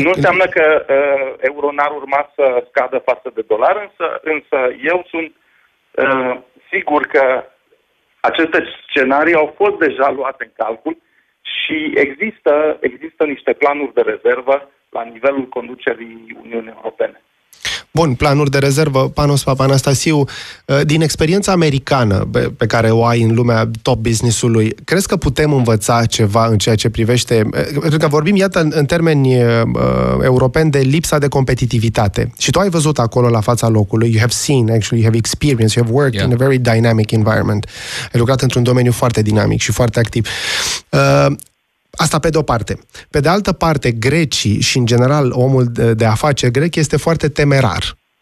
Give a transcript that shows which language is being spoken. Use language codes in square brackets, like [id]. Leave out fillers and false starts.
[ro] Nu înseamnă că euro n-ar urma să scadă față de dolar, însă eu sunt sigur că aceste scenarii au fost deja luate în calcul și există niște planuri de rezervă la nivelul conducerii Uniunii Europene. Bun, planuri de rezervă, Panos Papanastasiu, din experiența americană pe care o ai în lumea top business-ului, crezi că putem învăța ceva în ceea ce privește, pentru că vorbim, iată, în termeni europeni, de lipsa de competitivitate. Și tu ai văzut acolo, la fața locului, [en] you have seen, actually, you have experienced, you have worked in a very dynamic environment. [ro] Ai lucrat într-un domeniu foarte dinamic și foarte activ. Asta pe de-o parte. Pe de altă parte, grecii și, în general, omul de afaceri grec este foarte temerar.